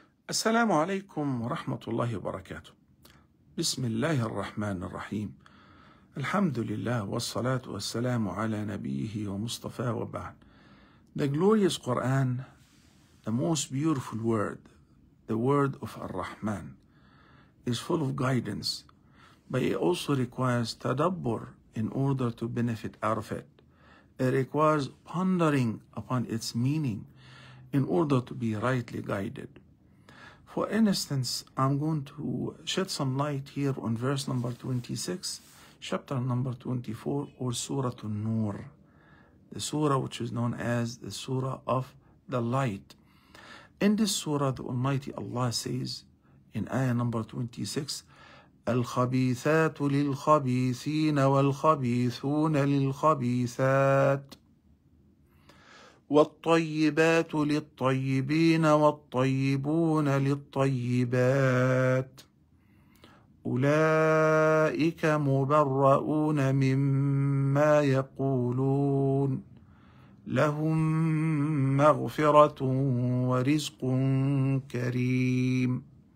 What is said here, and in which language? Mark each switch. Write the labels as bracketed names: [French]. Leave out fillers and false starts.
[Arabic] السلام عليكم ورحمة الله وبركاته. بسم الله الرحمن الرحيم، الحمد لله والصلاة والسلام على نبيه ومصطفى وبعد. [English] The glorious Quran, the most beautiful word, the word of Ar-Rahman, is full of guidance, but it also requires tadabbur in order to benefit out of it. It requires pondering upon its meaning in order to be rightly guided. For instance, I'm going to shed some light here on verse number 26, chapter number 24, or Surah An-Nur, the surah which is known as the Surah of the Light. In this surah, the Almighty Allah says, in ayah number 26, [Arabic] الخبيثات للخبيثين والخبيثون للخبيثات والطيبات للطيبين والطيبون للطيبات أولئك مبرؤون مما يقولون لهم مغفرة ورزق كريم.